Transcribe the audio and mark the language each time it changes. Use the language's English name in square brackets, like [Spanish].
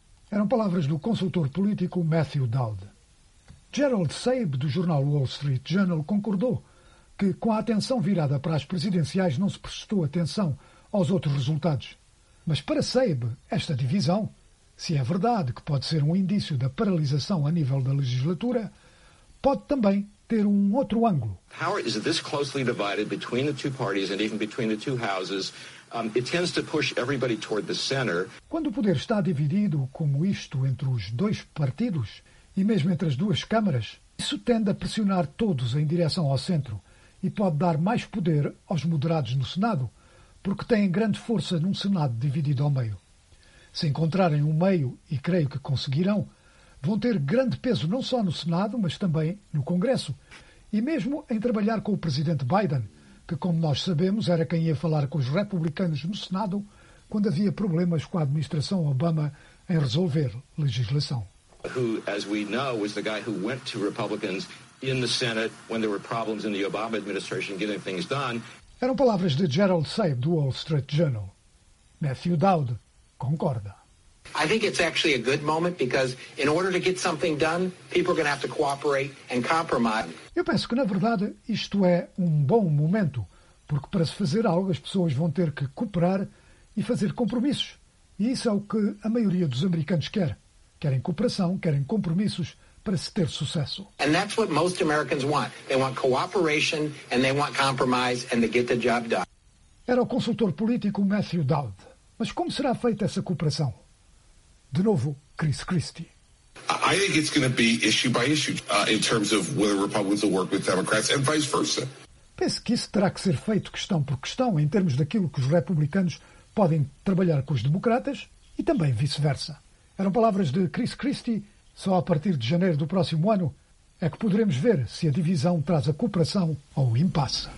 [Portuguese] Eram palavras do consultor político Matthew Dowd. Gerald Saib, do jornal Wall Street Journal, concordou que, com a atenção virada para as presidenciais, não se prestou atenção aos outros resultados. Mas para Saib, esta divisão, se é verdade que pode ser um indício da paralisação a nível da legislatura, pode também ter um outro ângulo. [English] Power is this closely divided between the two parties and even between the two houses. It tends to push everybody toward the center. [Portuguese] Quando o poder está dividido, como isto, entre os dois partidos e mesmo entre as duas câmaras, isso tende a pressionar todos em direção ao centro e pode dar mais poder aos moderados no Senado, porque têm grande força num Senado dividido ao meio. Se encontrarem um meio, e creio que conseguirão, vão ter grande peso não só no Senado, mas também no Congresso, e mesmo em trabalhar com o presidente Biden, que, como nós sabemos, era quem ia falar com os republicanos no Senado quando havia problemas com a administração Obama em resolver legislação. [English] Who, as we know, was the guy who went to Republicans in the Senate when there were problems in the Obama administration getting things done. [Portuguese] Eram palavras de Gerald Seib, do Wall Street Journal. Matthew Dowd concorda. [English] I think it's actually a good moment because in order to get something done, people are going to have to cooperate and compromise. [Portuguese] Eu penso que, na verdade, isto é um bom momento, porque para se fazer algo as pessoas vão ter que cooperar e fazer compromissos. E isso é o que a maioria dos americanos quer. Querem cooperação, querem compromissos para se ter sucesso. [English] And that's what most Americans want. They want cooperation and they want compromise and to get the job done. [Portuguese] Era o consultor político Matthew Dowd. Mas como será feita essa cooperação? De novo, Chris Christie. [English] I think it's going to be issue by issue in terms of whether Republicans will work with Democrats and vice versa. [Portuguese] Penso que isso terá que ser feito questão por questão em termos daquilo que os republicanos podem trabalhar com os democratas e também vice-versa. Eram palavras de Chris Christie. Só a partir de janeiro do próximo ano é que poderemos ver se a divisão traz a cooperação ou o impasse.